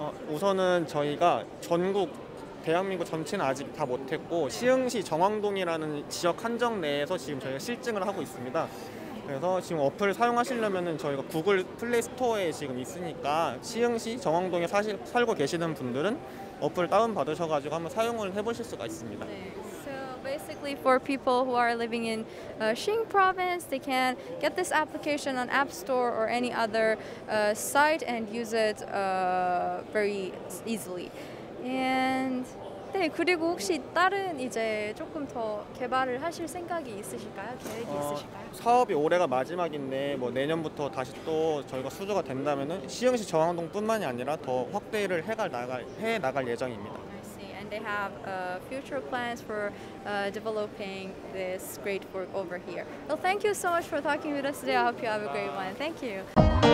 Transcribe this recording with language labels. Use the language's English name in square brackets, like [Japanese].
[Korean] 우선은 저희가 전국 대한민국 전체는 아직 다 못했고, 시흥시 정왕동이라는 지역 한정 내에서 지금 저희가 실증을 하고 있습니다. 그래서 지금 어플을 사용하시려면은 저희가 구글 플레이 스토어에 지금 있으니까 시흥시 정왕동에 살고 계시는 분들은 어플 다운 받으셔가지고 한번 사용을 해보실 수가 있습니다. 네. [English] Basically, for people who are living in Xing province, they can get this application on App Store or any other site and use it very easily. [Korean] And 네, 그리고 혹시 다른 이제 조금 더 개발을 하실 생각이 있으실까요? 계획이 있으실까요? 사업이 올해가 마지막인데 뭐 내년부터 다시 또 저희가 수주가 된다면은 시흥시 정왕동뿐만이 아니라 더 확대를 해 나갈 예정입니다. [English] They have future plans for developing this great work over here. Well, thank you so much for talking with us today. I hope you have a great one. Thank you.